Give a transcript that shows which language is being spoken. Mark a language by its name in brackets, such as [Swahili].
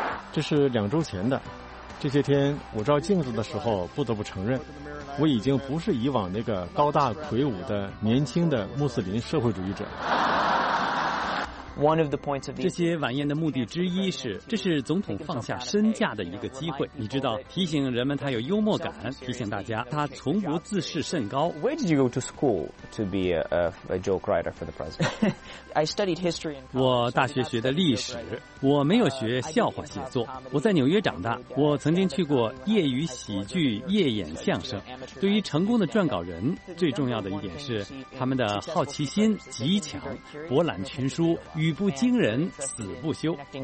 [Chinese] 这是两周前的，这些天我照镜子的时候，不得不承认，我已经不是以往那个高大魁梧的年轻的穆斯林社会主义者。这些晚宴的目的之一是，这是总统放下身价的一个机会，你知道，提醒人们他有幽默感，提醒大家他从不自视甚高。 [English] Where did you go to school to be a joke writer for the president? I studied history. [Chinese] 我大学学的历史，我没有学笑话写作。我在纽约长大，我曾经去过业余喜剧夜演相声。对于成功的撰稿人，最重要的一点是他们的好奇心极强，博览群书，语不惊人死不休。